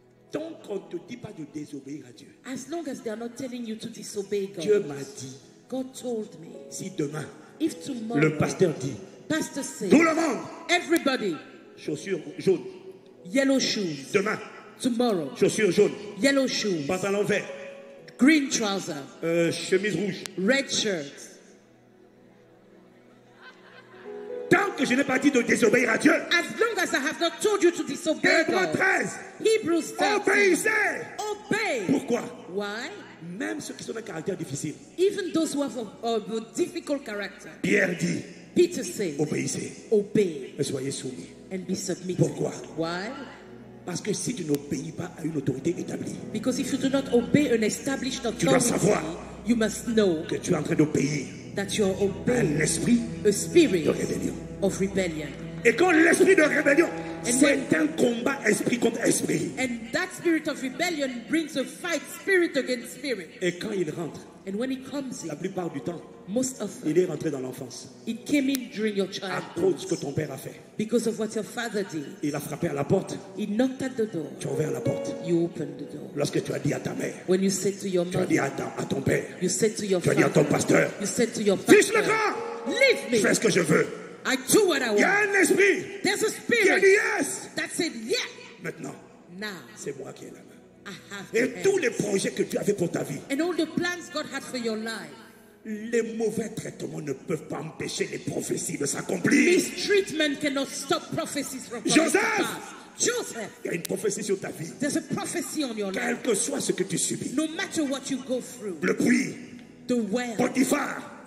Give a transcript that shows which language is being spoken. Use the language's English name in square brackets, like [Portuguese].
[French] Tant qu'on ne te dit pas de désobéir à Dieu. [English] As long as they are not telling you to disobey God. [French] Dieu m'a dit. [English] God told me. [French] Si demain. [English] If tomorrow. [French] Le pasteur dit. [English] Pastor said. [French] Tout le monde. [English] Everybody. [French] Chaussures jaunes. [English] Yellow shoes. [French] Demain. [English] Tomorrow. [French] Chaussures jaunes. [English] Yellow shoes. [French] Pantalon vert. [English] Green trousers. [French] Chemise rouge. [English] Red shirt. [French] Tant que je n'ai pas dit de désobéir à Dieu. [English] As long as I have not told you to disobey God. [French] Hébreux 13. [English] Hebrews 13. [French] Obéissez. [English] Obey. [French] Pourquoi? [English] Why? [French] Même ceux qui sont un caractère difficile. [English] Even those who have a difficult character. [French] Pierre dit. [English] Peter says. [French] Obéissez. [English] Obey. [French] Et soyez soumis. [English] And be submitted. [French] Pourquoi? [English] Why? [French] Parce que si tu n'obéis pas à une autorité établie. [English] Because if you do not obey an established authority. [French] Tu dois savoir. [English] You must know. [French] Que tu es en train d'obéir. [English] That you are obeying [French] un esprit [English] a spirit [French] de rébellion. [English] Of rebellion. [French] Et quand l'esprit de rébellion, c'est un combat esprit contre esprit. [English] And that spirit of rebellion brings a fight spirit against spirit. [French] Et quand il rentre, [English] and when he comes in, [French] la plupart du temps, [English] most of [French] il est rentré dans l'enfance. [English] It came in during your childhood. [French] À cause de ce que ton père a fait. [English] Because of what your father did. [French] Il a frappé à la porte. [English] He knocked at the door. [French] Tu as ouvert la porte. [English] You opened the door. [French] Lorsque tu as dit à ta mère. [English] When you said to your mother. [French] Tu as dit à ton père. [English] You said to your [French] tu as dit [English] father, [French] à ton pasteur. [English] You said to your pastor. [French] Fiche le camp. [English] Leave me. [French] Fais ce que je veux. [English] I do what I want. [French] Il y a un esprit. [English] There's a spirit. [French] Qui a dit yes. [English] That said yes. [French] Maintenant. [English] Now. [French] C'est moi qui ai la main. Et tous les projets que tu avais pour ta vie. [English] And all the plans God had for your life. [French] Les mauvais traitements ne peuvent pas empêcher les prophéties de s'accomplir. [English] Mistreatment cannot stop prophecies from coming. [French] Joseph. [English] Joseph. [French] Il y a une prophétie sur ta vie. [English] There's a prophecy on your life. [French] Quel que soit ce que tu subis. [English] No matter what you go through. [French] Le puits. [English] The well. [French] Potiphar.